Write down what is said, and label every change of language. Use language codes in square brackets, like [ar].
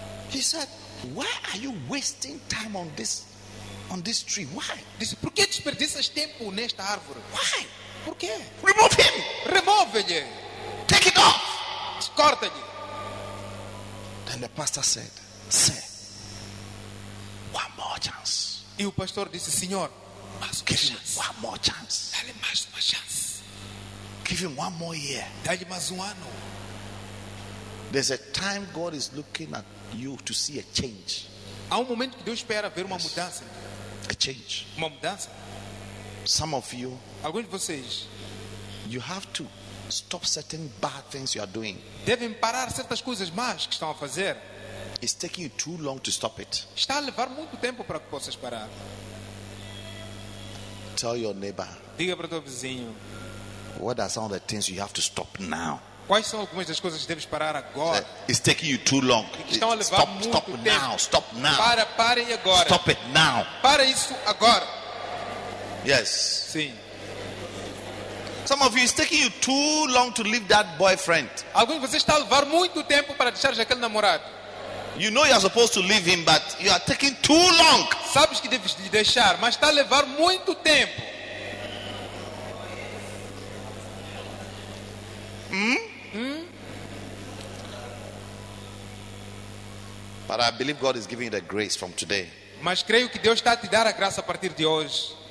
[en] He said, "Why are you wasting time on this tree? Why?" [pt] Disse, por que desperdiças tempo nesta árvore? [en] Why? [pt] Por quê? [en] Remove him. [pt] Remove-lhe. [en] Take it off. [pt] Descorta-lhe. [en] Then the pastor said, "Sir, one more chance." [pt] E o pastor disse, Senhor, mais uma chance. [en] Give him one more chance. [pt] Dá-lhe mais uma chance. [en] Give him one more year. [pt] Dá-lhe mais um ano. [en] There's a time God is looking at you to see a change. [pt] Há momento que Deus espera ver uma mudança. [en] A change. [pt] Uma mudança. [en] Some of you. [pt] Alguns de vocês. [en] You have to stop certain bad things you are doing. [pt] Devem parar certas coisas más que estão a fazer. [en] It's taking you too long to stop it. [pt] Está a levar muito tempo para que possas parar. [en] Tell your neighbor. [pt] Diga para o teu vizinho. [en] What are some of the things you have to stop now? [pt] Quais são algumas das coisas que deves parar agora? [en] It's taking you too long. [pt] Estão a levar [en] stop, [pt] muito [en] stop [pt] tempo. [en] Now. Stop now. [pt] Para, pare agora. [en] Stop it now. [pt] Para isso agora. [en] Yes. [pt] Sim. [en] Some of you, it's taking you too long to leave that boyfriend. [pt] Alguns de vocês estão a levar muito tempo para deixar aquele namorado. [en] You know you are supposed to leave him, but you are taking too long. [pt] Sabes que deves deixar, mas está a levar muito tempo. [en] But I believe God is giving you the grace from today. [pt] Mas creio que Deus está a te dar a graça a partir de hoje.